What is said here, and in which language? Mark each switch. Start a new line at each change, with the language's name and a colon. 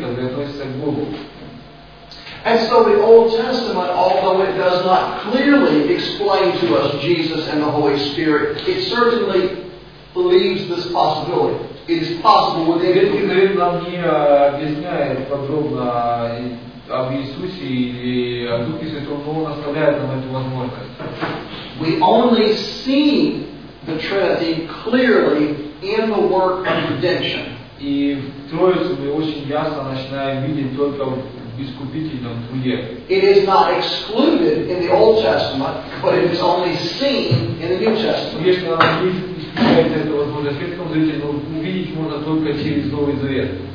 English: And so the Old Testament, although it does not clearly explain to us Jesus and the Holy Spirit, it certainly leaves this possibility. It is possible within it.
Russian: Ветхий Завет нам не объясняет подробно об Иисусе или о Духе Святом, но он оставляет нам эту возможность.
English: We only see the Trinity clearly in the work of redemption.
Russian: И в Троице мы очень ясно начинаем видеть только искупительном труде.
English: It is not excluded in the Old Testament, but it is only seen in the New Testament.
Russian: Если она не исключается эта возможность в Ветхом Завете, но увидеть можно только через Новый Завет.